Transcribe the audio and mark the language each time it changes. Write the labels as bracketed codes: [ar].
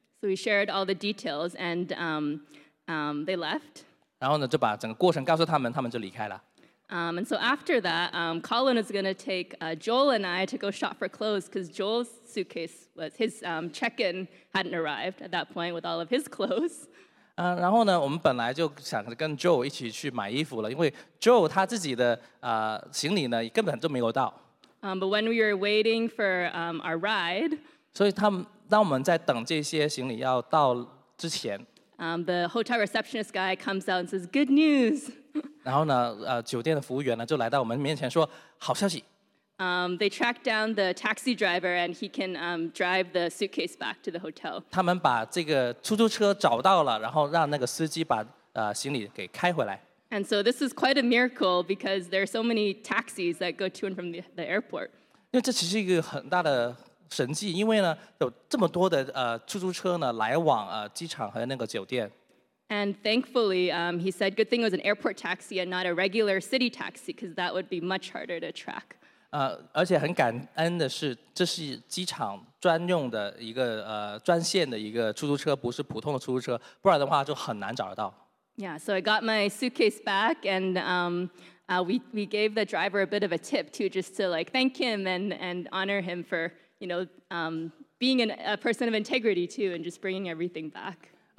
[en] So we shared all the details and they left. [zh] 然后呢，就把整个过程告诉他们，他们就离开了。 [en] And so after that, Colin is going to take Joel and I to go shop for clothes because Joel's suitcase was his check-in hadn't arrived at that point with all of his clothes. [zh] 然后呢，我们本来就想着跟 Joel 一起去买衣服了，因为 Joel 他自己的行李呢根本就没有到。 [en] But when we were waiting for our ride, [zh] 所以他们当我们在等这些行李要到之前。 [en] The hotel receptionist guy comes out and says, good news. [zh] 然后呢，酒店的服务员呢，就来到我们面前说，好消息。 [en] They track down the taxi driver and he can drive the suitcase back to the hotel. [zh] 他们把这个出租车找到了，然后让那个司机把行李给开回来。 [en] And so this is quite a miracle because there are so many taxis that go to and from the airport. [zh] 因为这其实是一个很大的 神迹，因为呢，有这么多的出租车呢来往机场和那个酒店。 [en] And thankfully, he said, good thing it was an airport taxi and not a regular city taxi, because that would be much harder to track. [zh] 而且很感恩的是，这是机场专用的一个专线的一个出租车，不是普通的出租车，不然的话就很难找得到。 [en] Yeah, so I got my suitcase back and we gave the driver a bit of a tip too, just to like thank him and honor him for, you know, being a person of integrity too, and just bringing everything back.